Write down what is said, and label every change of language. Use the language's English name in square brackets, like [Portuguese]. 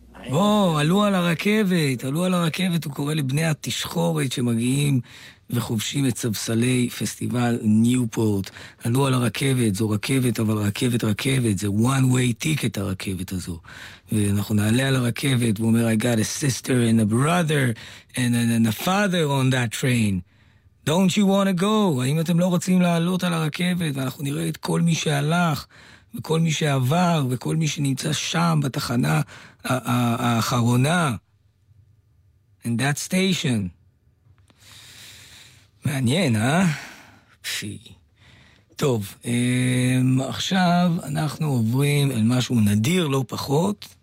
[Hebrew] בוא, עלו על הרכבת, עלו על הרכבת, הוא קורא לבני התשחורת שמגיעים וחובשים את ספסלי פסטיבל ניופורט. עלו על הרכבת, זו רכבת, אבל רכבת רכבת, זה [English] one way ticket [Hebrew] הרכבת הזו. ואנחנו נעלה על הרכבת, והוא אומר, [English] I got a sister and a brother and a father on that train. Don't you want to go? [Hebrew] האם אתם לא רוצים לעלות על הרכבת? ואנחנו נראה את כל מי שהלך, וכל מי שעבר, וכל מי שנמצא שם בתחנה האחרונה. [English] And that station. [Hebrew] מעניין, אה? פי. טוב, עכשיו אנחנו עוברים אל משהו נדיר לא פחות.